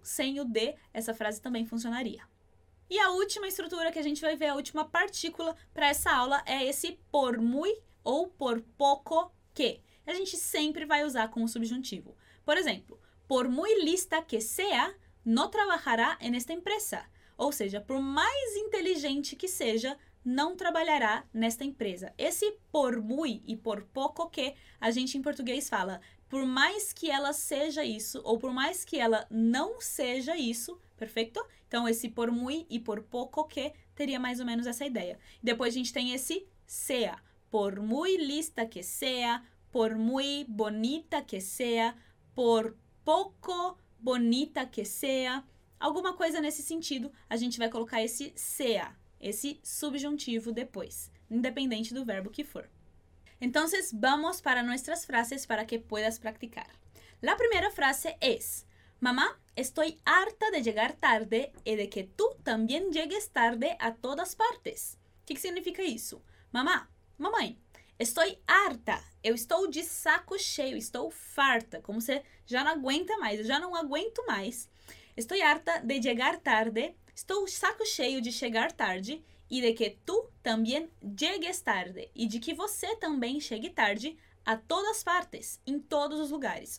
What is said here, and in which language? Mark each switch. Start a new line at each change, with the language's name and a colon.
Portuguese: Sem o de, essa frase também funcionaria. E a última estrutura que a gente vai ver, a última partícula para essa aula, é esse por muy ou por poco que. A gente sempre vai usar com o subjuntivo. Por exemplo,
Spanish: por muy lista que sea, no trabajará en esta empresa.
Portuguese: Ou seja, por mais inteligente que seja, não trabalhará nesta empresa. Esse por muy e por poco que, a gente em português fala, por mais que ela seja isso, ou por mais que ela não seja isso, perfeito? Então, esse por muy e por poco que teria mais ou menos essa ideia. Depois a gente tem esse sea.
Spanish: Por muy lista que sea, por muy bonita que sea, por poco bonita que sea.
Portuguese: Alguma coisa nesse sentido, a gente vai colocar esse sea, esse subjuntivo depois, independente do verbo que for. Então, vamos para nossas frases
Spanish: para que puedas practicar. La
Portuguese: primeira frase é:
Spanish: mamá, estoy harta de llegar tarde y de que tú también llegues tarde a todas partes.
Portuguese: Que significa isso? Mamãe,
Spanish: estoy harta,
Portuguese: eu estou de saco cheio, estou farta, como você já não aguenta mais, eu já não aguento mais.
Spanish: Estoy harta de llegar tarde,
Portuguese: estou saco cheio de chegar tarde e
Spanish: de que tú también llegues tarde
Portuguese: e de que você também chegue tarde
Spanish: a todas partes,
Portuguese: em todos os lugares.